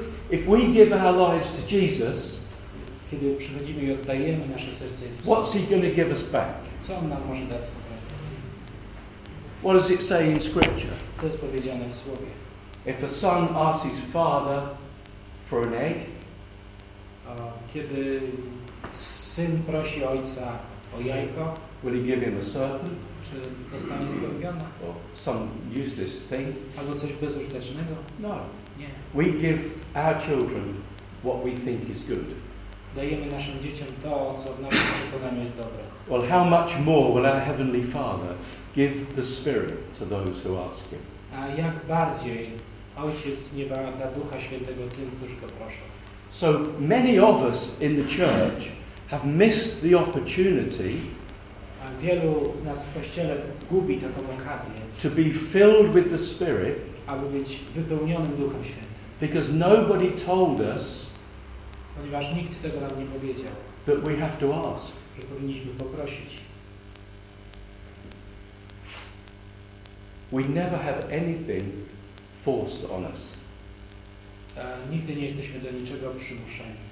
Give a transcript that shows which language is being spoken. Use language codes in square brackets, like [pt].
[en] If we give our lives to Jesus, [pl] kiedy przychodzimy i oddajemy nasze serce Jezusowi, [en] what's He going to give us back? [pl] Co On nam może dać? [en] What does it say in Scripture? [pl] Co jest powiedziane w Słowie? [en] If a son asks his father for an egg, [pl] kiedy syn prosi ojca o jajko, [en] will he give him a serpent? [pl] Czy dostanie skorpiona? [en] Or some useless thing? [pl] Albo coś bezużytecznego? [en] No. [pl] Nie. [en] We give our children what we think is good. [pl] Dajemy naszym dzieciom to, co w naszym przekonaniu jest dobre. [en] Well, how much more will our Heavenly Father give the Spirit to those who ask Him? [pl] A jak bardziej Ojciec nieba da Ducha Świętego tym, którzy Go proszą? [en] So many of us in the church have missed the opportunity. [pl] A wielu z nas w kościele gubi taką okazję. [en] To be filled with the Spirit. [pl] Aby być wypełnionym Duchem Świętym. [en] Because nobody told us. [pl] Ponieważ nikt tego nam nie powiedział. [en] That we have to ask. [pl] Że powinniśmy poprosić. [en] We never have anything forced on us. [pl] Nigdy nie jesteśmy do niczego przymuszeni.